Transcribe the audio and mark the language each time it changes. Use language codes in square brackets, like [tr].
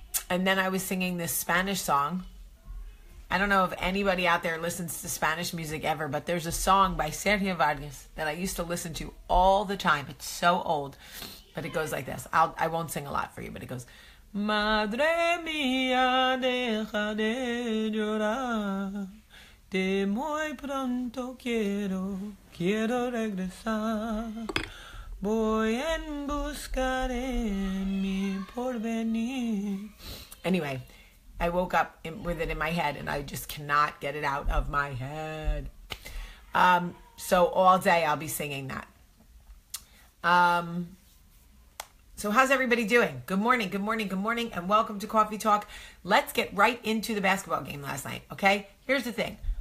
[en] And then I was singing this Spanish song. I don't know if anybody out there listens to Spanish music ever, but there's a song by Sergio Vargas that I used to listen to all the time. It's so old, but it goes like this. I won't sing a lot for you, but it goes, [es] Madre mía, deja de llorar. De muy pronto quiero regresar. Voy en busca de mi porvenir. [en] Anyway, I woke up with it in my head, and I just cannot get it out of my head. So all day I'll be singing that. So how's everybody doing? Good morning, good morning, good morning, and welcome to Coffee Talk. Let's get right into the basketball game last night, okay? Here's the thing.